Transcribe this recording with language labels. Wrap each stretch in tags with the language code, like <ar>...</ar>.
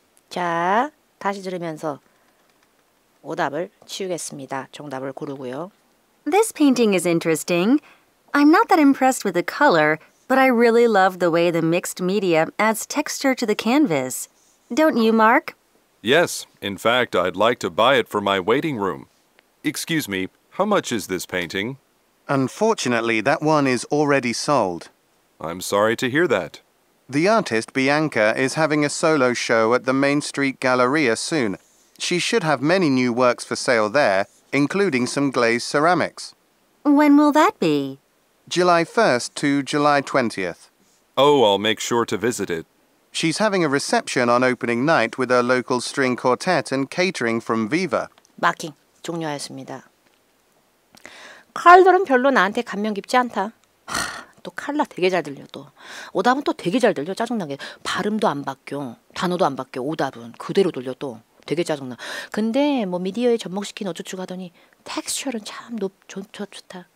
<ko>자, 다시 들으면서 오답을 치우겠습니다. 정답을 고르고요.</ko> <en>This painting is interesting. I'm not that impressed with the color, but I really love the way the mixed media adds texture to the canvas. Don't you, Mark? Yes. In fact, I'd like to buy it for my waiting room. Excuse me, how much is this painting? Unfortunately, that one is already sold. I'm sorry to hear that. The artist, Bianca, is having a solo show at the Main Street Galleria soon. She should have many new works for sale there, including some glazed ceramics. When will that be? July 1st to July 20th. Oh, I'll make sure to visit it. She's having a reception on opening night with her local string quartet and catering from Viva.</en> <ko>마킹 종료하였습니다. 칼들은 별로 나한테 감명 깊지 않다. 또 칼라 되게 잘 들려 또. 오답은 또 되게 잘 들려 짜증나게. 발음도 안 바뀌어. 단어도 안 바뀌어. 오답은 그대로 들려 또. 되게 짜증나. 근데 뭐 미디어에 접목시킨 어쩌고 하더니 텍스처는 참 좋다.</ko>